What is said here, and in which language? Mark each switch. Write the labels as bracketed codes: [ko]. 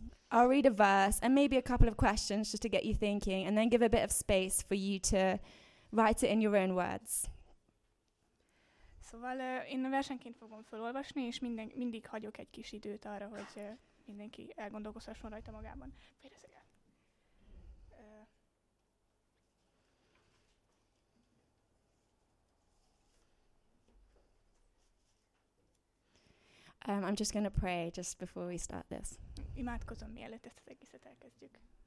[en] I'll read a verse and maybe a couple of questions just to get you thinking and then give a bit of space for you to write it in your own words. [hu] Szóval én versenként fogom felolvasni, és mindig hagyok egy kis időt arra, hogy mindenki elgondolkozhasson rajta magában. [en] I'm just going to pray just before we start this. [hu] Imádkozom, mielőtt ezt az egészet elkezdjük.